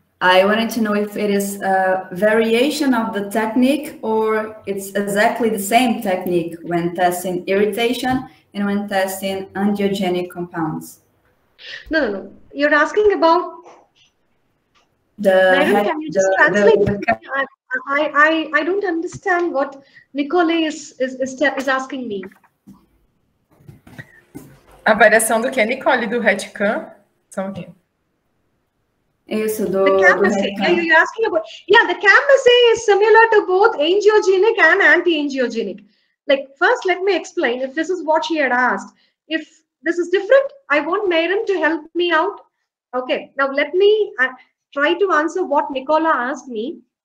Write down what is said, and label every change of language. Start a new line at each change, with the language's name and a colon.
English: I wanted to know if it is a variation of the technique or it's exactly the same technique when testing irritation and when testing angiogenic compounds. No. You're asking about the... I don't understand what Nicole is asking me.
Portuguese: A variação do que é Nicole do retcan? São aqui. Isso, do...
English: The camassay, yeah, you're asking about... Yeah, the camassay is similar to both angiogenic and anti-angiogenic. Like, first, let me explain if this is what she had asked. If this is different, I want Mairim to help me out. Okay, now let me try to answer what Nicola asked me.